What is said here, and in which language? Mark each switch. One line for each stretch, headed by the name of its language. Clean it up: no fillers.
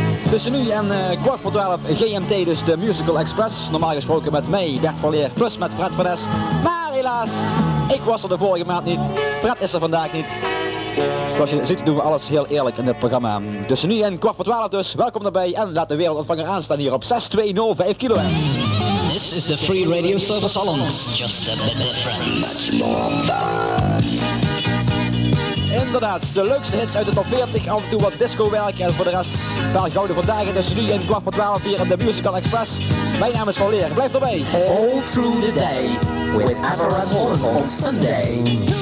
Dutch: Tussen nu en 11:15 GMT, dus The Musical Express. Normaal gesproken met mij, Bert van Leer, plus met Fred van Es. Maar helaas, ik was er de vorige maand niet. Fred is er vandaag niet. Zoals je ziet doen we alles heel eerlijk in dit programma. Dus nu in 11:15 dus, welkom erbij en laat de wereldontvanger aanstaan hier op 6205 kHz.
English: This is the free radio service Holland. Just a bit different. Much more fun.
Dutch: Inderdaad, de leukste hits uit de top 40, af en toe wat disco werk en voor de rest wel gouden vandaag. Dus nu in 11:15 hier in de Musical Express. Mijn naam is Van Leer, blijf erbij.
English: All through the day, with Everest Holland on Sunday.